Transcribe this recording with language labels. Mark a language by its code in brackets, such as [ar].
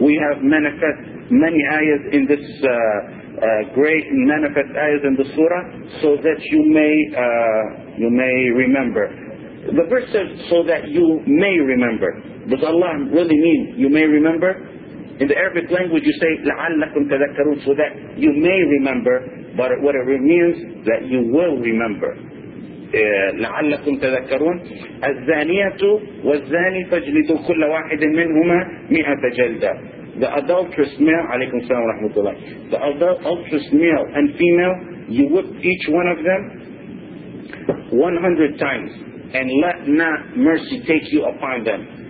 [en] We have manifest many ayahs in this great manifest ayahs in the surah, so that you may remember. The verse says, so that you may remember. Does Allah really mean you may remember? In the Arabic language you say, la'allakum tadhakkarun, so that you may remember, but what it means, that you will remember. [ar] لعلكم تذكرون الزانية والزاني فاجلدوا كل واحد منهما مئة جلدة. [en] The adulterous male, [ar] عليكم السلام ورحمة الله. [en] The adulterous male and female, you whip each one of them 100 times, and let not mercy take you upon them.